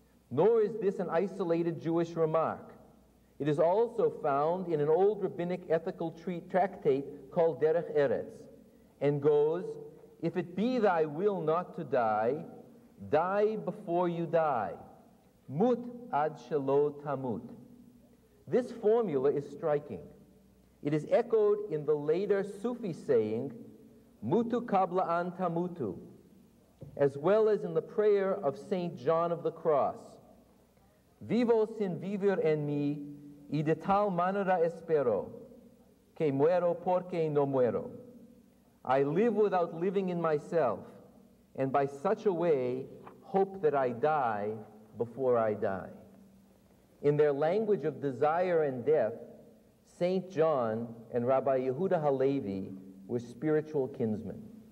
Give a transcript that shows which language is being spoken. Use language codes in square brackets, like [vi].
[en] Nor is this an isolated Jewish remark. It is also found in an old rabbinic ethical tractate called Derech Eretz, and goes, if it be thy will not to die, die before you die. [he] Mut ad shelo tamut. [en] This formula is striking. It is echoed in the later Sufi saying, [ar] Mutu kabla an tamutu, [en] as well as in the prayer of St. John of the Cross. [es] Vivo sin vivir en mi, y de tal manera espero, que muero porque no muero. [en] I live without living in myself, and by such a way hope that I die before I die. In their language of desire and death, St. John and Rabbi Yehuda Halevi were spiritual kinsmen.